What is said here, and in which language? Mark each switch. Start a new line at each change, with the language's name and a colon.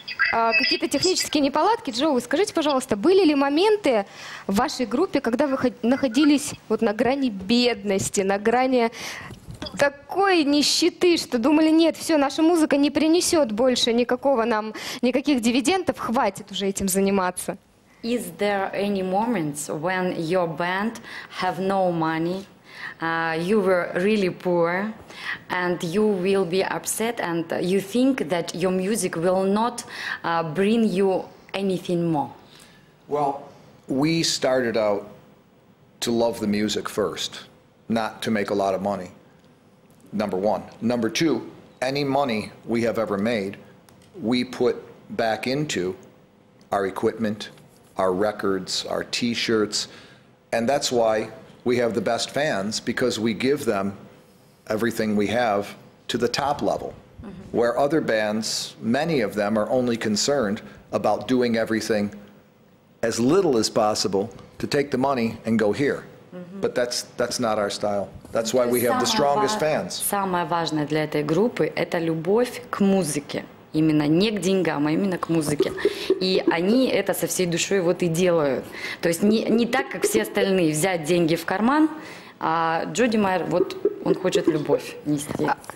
Russian: Какие-то технические неполадки, Джоуи, скажите, пожалуйста, были ли моменты в вашей группе, когда вы находились вот на грани бедности, на грани такой нищеты, что думали, нет, все, наша музыка не принесет больше никакого нам, никаких дивидендов, хватит уже этим заниматься?
English: Is there any moments when your band have no money? You were really poor, and you will be upset, and you think that your music will not bring you anything more. Well, we started out to love the music first, not to make a lot of money, number one. Number two, any money we have ever made, we put back into our equipment, our records, our t-shirts, and that's why we have the best fans, because we give them everything we have to the top level, mm-hmm. where other bands, many of them, are only concerned about doing everything as little as possible to take the money and go here. Mm-hmm. But that's not our style. That's why we have the strongest fans.
Russian: Самое важное для этой группы – это любовь к музыке. Именно не к деньгам, а именно к музыке. И они это со всей душой вот и делают. То есть не так, как все остальные, взять деньги в карман, а Джоуи Ди Майо, вот он хочет любовь нести.